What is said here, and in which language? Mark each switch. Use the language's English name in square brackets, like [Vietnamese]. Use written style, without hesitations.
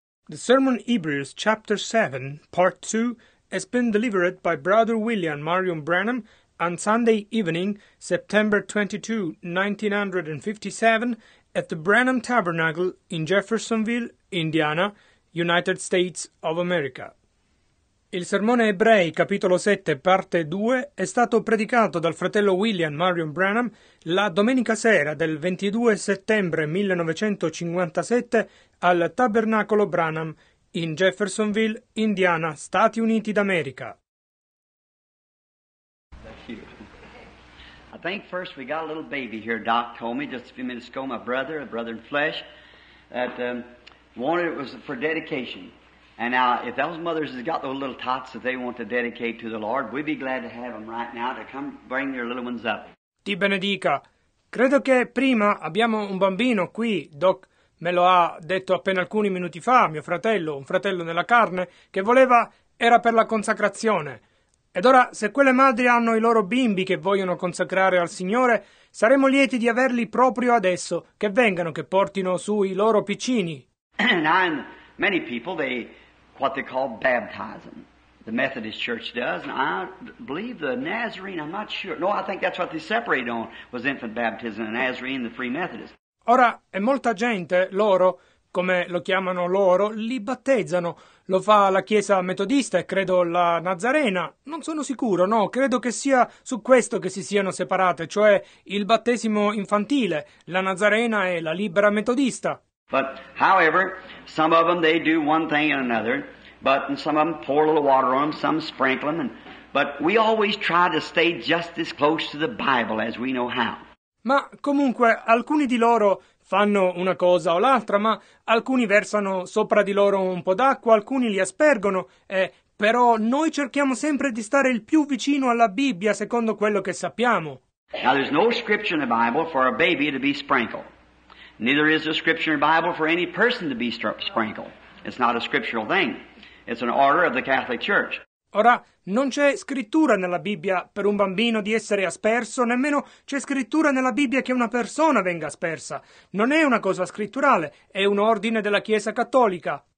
[English] The Sermon Hebrews, Chapter 7, Part 2, has been delivered by Brother William Marion Branham on Sunday evening, September 22, 1957, at the Branham Tabernacle in Jeffersonville, Indiana, United States of America. [Italian] Il Sermone Ebrei, Capitolo 7, Parte 2, è stato predicato dal fratello William Marion Branham la domenica sera del 22 settembre 1957 al Tabernacolo Branham in Jeffersonville, Indiana, Stati Uniti d'America. [English] I think first we got a little baby here, Doc told me just a few minutes ago, my brother, a brother in flesh, that wanted it was for dedication. And now, if those mothers has got those little tots that they want to dedicate to the Lord, we'd be glad to have them right now to come bring your little ones up. [Italian] Ti benedica. Credo che prima abbiamo un bambino qui, Doc. Me lo ha detto appena alcuni minuti fa, mio fratello, un fratello nella carne, che voleva era per la consacrazione. Ed ora, se quelle madri hanno i loro bimbi che vogliono consacrare al Signore, saremo lieti di averli proprio adesso, che vengano, che portino su i loro piccini. [English] And many people, they, what they call baptism, the Methodist Church does, and I believe the Nazarene, I'm not sure, no, I think that's what they separated on, was infant baptism, the Nazarene, the Free Methodist. [Italian] Ora, e molta gente, loro, come lo chiamano loro, li battezzano. Lo fa la Chiesa Metodista e credo la Nazarena. Non sono sicuro, no, credo che sia su questo che si siano separate, cioè il battesimo infantile, la Nazarena e la Libera Metodista. [English] But, however, some of them, they do one thing and another, but and some of them pour a little water on them, some sprinkle them, and, but we always try to stay just as close to the Bible as we know how. [Italian] Ma comunque alcuni di loro fanno una cosa o l'altra, ma alcuni versano sopra di loro un po' d'acqua, alcuni li aspergono, però noi cerchiamo sempre di stare il più vicino alla Bibbia secondo quello che sappiamo. [English] Now there's no scripture in the Bible for a baby to be sprinkled. Neither is a scripture in the Bible for any person to be sprinkled. It's not a scriptural thing. It's an order of the Catholic Church. [Italian] Ora, non c'è scrittura nella Bibbia per un bambino di essere asperso, nemmeno c'è scrittura nella Bibbia che una persona venga aspersa. Non è una cosa scritturale, è un ordine della Chiesa Cattolica.